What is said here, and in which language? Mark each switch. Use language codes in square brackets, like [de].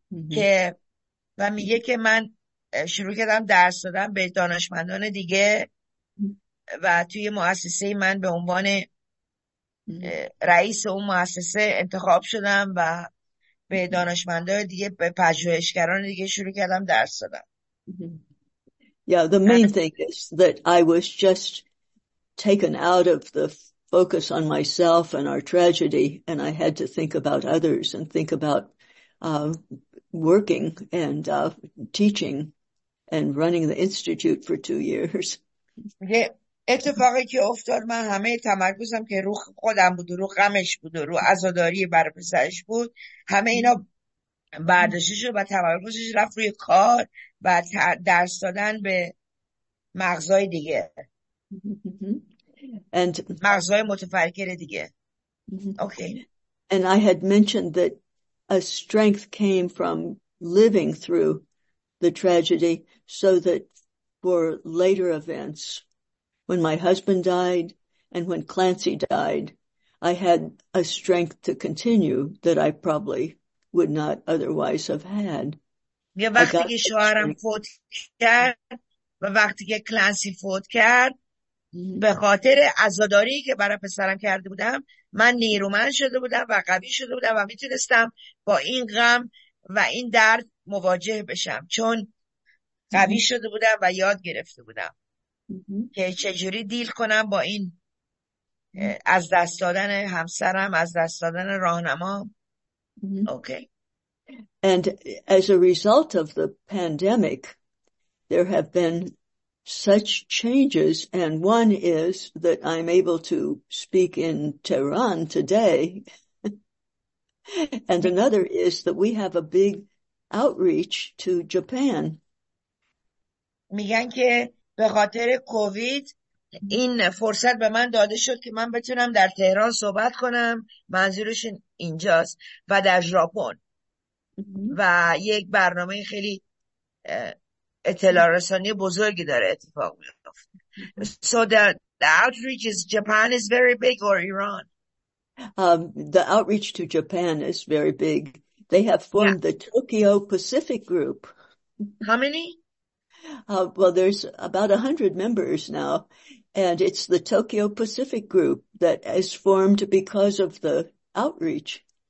[fa] که و میگه که من شروع کردم درس دادن به دانشمندان دیگه و توی مؤسسه من به عنوان رئیس اون مؤسسه انتخاب شدم و به دانشمندان دیگه، به پژوهشگران دیگه شروع کردم درس دادن. [en] Yeah, the main thing is that I was just taken out of the focus on myself and our tragedy, and I had to think about others and think about working and teaching and running the institute for 2 years. [fa] اتفاقی که افتاد، من همه تمرکزم که رو خودم بود و رو غمش بود و رو عزاداری برای پسرش بود، همه اینا برداشته شد و تمرکزش رفت روی کار و درس دادن به مغزای دیگه، [en] And [fa] مغزای متفکر دیگه. اوکی. [en] And I had mentioned that a strength came from living through the tragedy, so that for later events, when my husband died and when Clancy died, I had a strength to continue that I probably would not otherwise have had. [fa] یه وقتی که شوهرم فوت کرد و وقتی که کلنسی فوت کرد، به خاطر عزاداری که برای پسرم کرده بودم، من نیرومند شده بودم و قوی شده بودم و میتونستم با این غم و این درد مواجه بشم، چون قوی شده بودم و یاد گرفته بودم که چجوری دیل کنم با این از دست دادن همسرم، از دست دادن راهنما. اوکی. [en] And as a result of the pandemic, there have been such changes, and one is that I'm able to speak in Tehran today. And another is that we have a big outreach to Japan. [fa] میگن که به خاطر کووید این فرصت به من داده شد که من بتونم در تهران صحبت کنم، منظورش اینجاست، و در ژاپن و یک برنامه خیلی اطلاع رسانی بزرگی داره اتفاق میفته. [en] So the outreach is Japan is very big, or Iran? The outreach to Japan is very big. They have formed the Tokyo Pacific Group. How many? Well, there's about 100 members now, and it's the Tokyo Pacific Group that is formed because of the outreach.